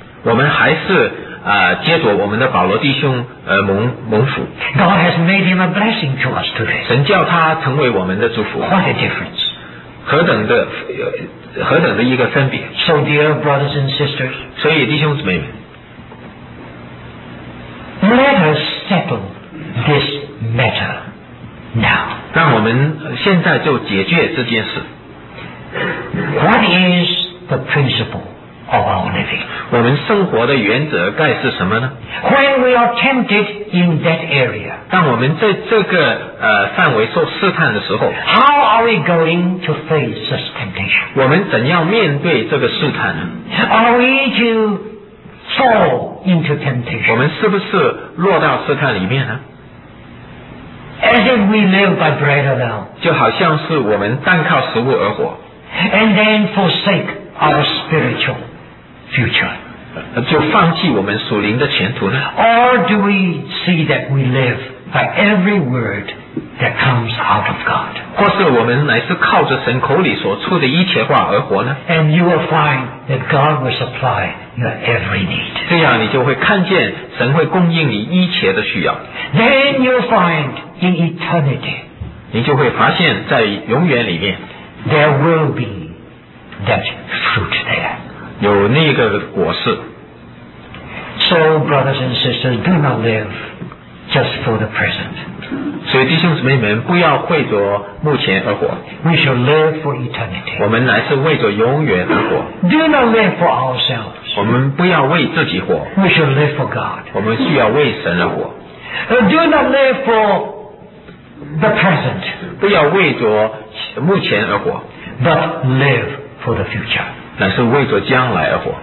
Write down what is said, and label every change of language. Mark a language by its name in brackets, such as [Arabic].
[Chinese] 我们还是接着我们的保罗弟兄蒙福 [English] God has made him a blessing to us today [Chinese] 神叫他成为我们的祝福 [English] What a difference [Chinese] 何等的一个分别 [English] So dear brothers and sisters [Chinese] 所以弟兄姊妹们 [English] Let us settle this matter now [Chinese] 让我们现在就解决这件事 [English] What is the principle of our living? [Chinese] 我们生活的原则该是什么呢? [English] When we are tempted in that area, [Chinese] 当我们在这个范围受试探的时候, [English] how are we going to face this temptation? [Chinese] 我们怎样面对这个试探呢? [English] Are we to fall into temptation? [Chinese] 我们是不是落到试探里面呢? [English] As if we live by bread alone, [Chinese] 就好像是我们单靠食物而活。 [English] And then forsake our spiritual future. [Chinese] 就放弃我们属灵的前途呢? [English] Or do we see that we live by every word that comes out of God? [Chinese] 或是我们乃是靠着神口里所出的一切话而活呢? [English] And you will find that God will supply your every need. [Chinese] 这样你就会看见神会供应你一切的需要。 [English] Then you will find in eternity. [Chinese] 你就会发现在永远里面。 [English] There will be that fruit there. [Chinese] 有那个果实。 [English] So, brothers and sisters, do not live just just for the present. [Chinese] 所以弟兄姊妹们，不要为着目前而活。 [English] We shall live for eternity. [Chinese] 我们乃是为着永远而活。 [English] Do not live for ourselves. [Chinese] 我们不要为自己活。 [English] We shall live for God. [Chinese] 我们需要为神而活。 [English] Do not live for the present. [Chinese] 不要为着目前而活。 [English] But live for the future. [Chinese] 乃是为着将来而活。